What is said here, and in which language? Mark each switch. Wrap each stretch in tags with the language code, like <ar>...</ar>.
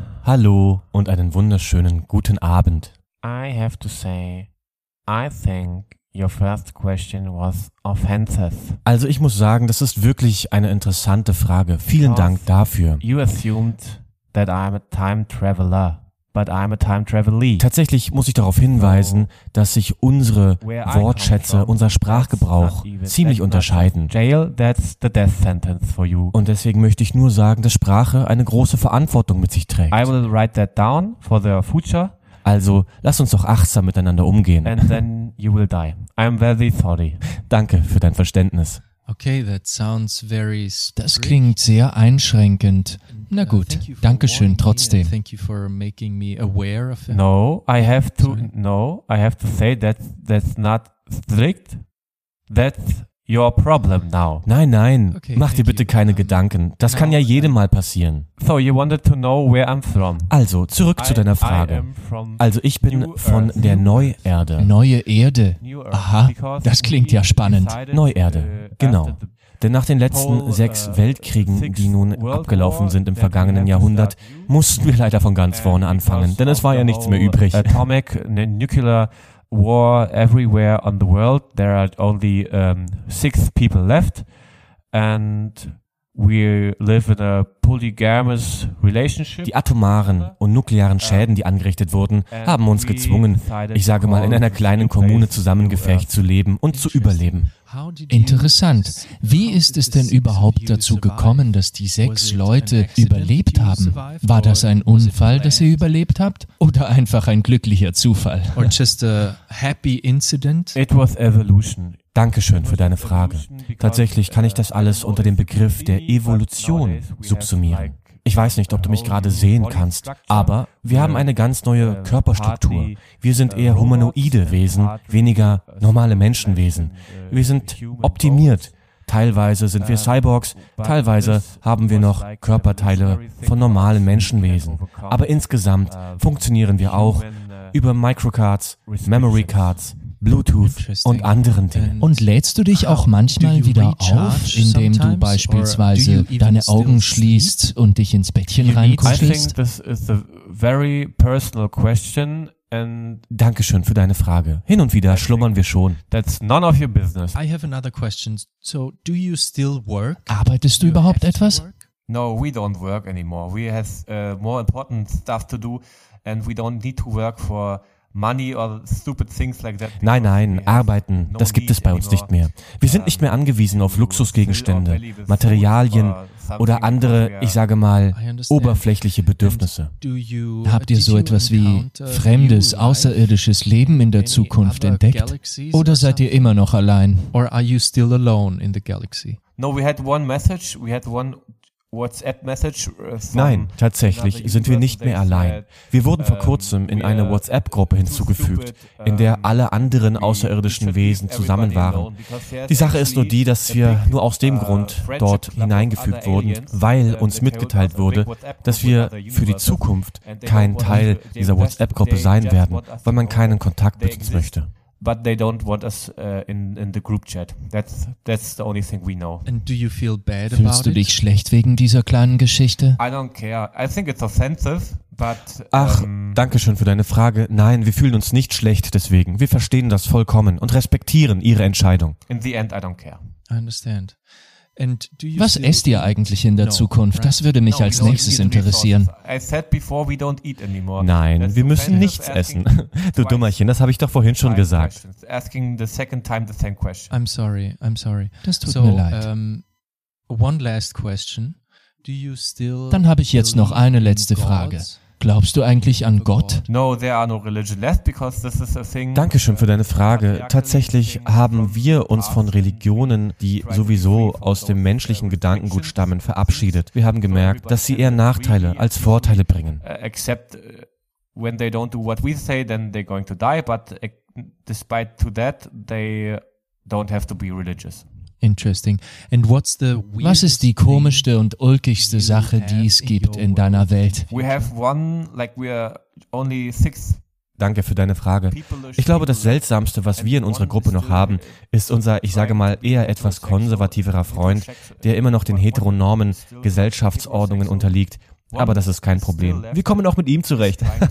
<de>Hallo und einen wunderschönen guten Abend.</de> <en>I have to say, I think your first question was offensive.</en> <de>Also ich muss sagen, das ist wirklich eine interessante Frage. Vielen Dank dafür.</de> <en>You assumed that I'm a time traveler, but I'm a time travelee.</en> <de>Tatsächlich muss ich darauf hinweisen, dass sich unsere Wortschätze, unser Sprachgebrauch ziemlich unterscheiden.</de> <en>Jail, that's the death sentence for you.</en> <de>Und deswegen möchte ich nur sagen, dass Sprache eine große Verantwortung mit sich trägt.</de> <en>I will write that down for the future.</en> <de>Also, lass uns doch achtsam miteinander umgehen.</de> <en>And then you will die. I'm very sorry.</en> <de>Danke für dein Verständnis.</de> <en>Okay, that sounds very strict.</en> <de>Das klingt sehr einschrenkend. Na gut, dankeschön trotzdem.</de> <en>Thank you for making me aware of it. No, I have to say that's not strict. That's your problem now.</en> <de>Nein, nein, okay, mach dir bitte keine Gedanken. Das kann ja jedem mal passieren.</de> <en>So, you wanted to know where I'm from.</en> <de>Also, zurück zu deiner Frage. Also, ich bin von der Neuerde. Neue Erde? Aha, das klingt ja spannend. Neuerde, genau. Denn nach den letzten sechs Weltkriegen, die nun abgelaufen sind im vergangenen Jahrhundert, mussten wir leider von ganz vorne anfangen, denn es war ja nichts mehr übrig.</de> <en>Atomic, nuclear war everywhere on the world. There are only six people left, and we live in a polygamous relationship.</en> <de>Die atomaren und nuklearen Schäden, die angerichtet wurden, haben uns gezwungen, ich sage mal, in einer kleinen Kommune zusammengefecht zu leben und zu überleben. Interessant. Wie ist es denn überhaupt dazu gekommen, dass die sechs Leute überlebt haben? War das ein Unfall, dass ihr überlebt habt? Oder einfach ein glücklicher Zufall?</de> <en>Or just a happy incident? It was evolution.</en> <de>Dankeschön für deine Frage. Tatsächlich kann ich das alles unter dem Begriff der Evolution subsumieren. Ich weiß nicht, ob du mich gerade sehen kannst, aber wir haben eine ganz neue Körperstruktur. Wir sind eher humanoide Wesen, weniger normale Menschenwesen. Wir sind optimiert. Teilweise sind wir Cyborgs, teilweise haben wir noch Körperteile von normalen Menschenwesen. Aber insgesamt funktionieren wir auch über Microcards, Memory Cards, Bluetooth und anderen Dingen. Und lädst du dich auch manchmal wieder auf, indem du beispielsweise deine Augen schließt und dich ins Bettchen reinkuschelst?</de> <en>This is a very personal question. And</en> <de>dankeschön für deine Frage. Hin und wieder schlummern wir schon.</de> <en>That's none of your business. I have another question. So, do you still work?</en> <de>Arbeitest du überhaupt etwas?</de> <en>No, we don't work anymore. We have more important stuff to do and we don't need to work for money or stupid things like that.</en> <de>Nein, nein, arbeiten, das gibt es bei uns nicht mehr. Wir sind nicht mehr angewiesen auf Luxusgegenstände, Materialien oder andere, ich sage mal, oberflächliche Bedürfnisse. Habt ihr so etwas wie fremdes, außerirdisches Leben in der Zukunft entdeckt? Oder seid ihr immer noch allein?</de> <en>Or are you still alone in the galaxy? No, we had one message, we had one WhatsApp-Message.</en> <de>Nein, tatsächlich sind wir nicht mehr allein. Wir wurden vor kurzem in eine WhatsApp-Gruppe hinzugefügt, in der alle anderen außerirdischen Wesen zusammen waren. Die Sache ist nur die, dass wir nur aus dem Grund dort hineingefügt wurden, weil uns mitgeteilt wurde, dass wir für die Zukunft kein Teil dieser WhatsApp-Gruppe sein werden, weil man keinen Kontakt mit uns möchte.</de> <en>But they don't want us in the group chat. That's the only thing we know. And do you feel bad</en> <de>Fühlst</de> <en>about it?</en> <de>Fühlst du dich schlecht wegen dieser kleinen Geschichte?</de> <en>I don't care. I think it's offensive, but</en> <de>Ach, danke schön für deine Frage. Nein, wir fühlen uns nicht schlecht deswegen. Wir verstehen das vollkommen und respektieren ihre Entscheidung.</de> <en>In the end, I don't care. I understand. And do you</en> <de>Was esst ihr eigentlich in der Zukunft? Das würde mich als nächstes interessieren. Nein, wir müssen nichts essen. Du Dummerchen, das habe ich doch vorhin schon gesagt.</de> <en>I'm sorry.</en> <de>Das tut mir leid.</de> <en>One last question. Do you still</en> <de>Dann habe ich jetzt noch eine letzte Frage. Glaubst du eigentlich an Gott? No, there are no religion left because this is a thing. Dankeschön für deine Frage. Tatsächlich haben wir uns von Religionen, die sowieso aus dem menschlichen Gedankengut stammen, verabschiedet. Wir haben gemerkt, dass sie eher Nachteile als Vorteile bringen.</de> <en>Except when they don't do what we say, then they're going to die, but despite to that, they don't have to be religious. Interesting. And what's the weirdest</en> <de>Was ist die komischste und ulkigste Sache, die es gibt in deiner Welt?</de> <en>We have one, like we are only six.</en> <de>Danke für deine Frage. Ich glaube, das Seltsamste, was wir in unserer Gruppe noch haben, ist unser, ich sage mal, eher etwas konservativerer Freund, der immer noch den heteronormen Gesellschaftsordnungen unterliegt. Aber das ist kein Problem. Wir kommen auch mit ihm zurecht.</de>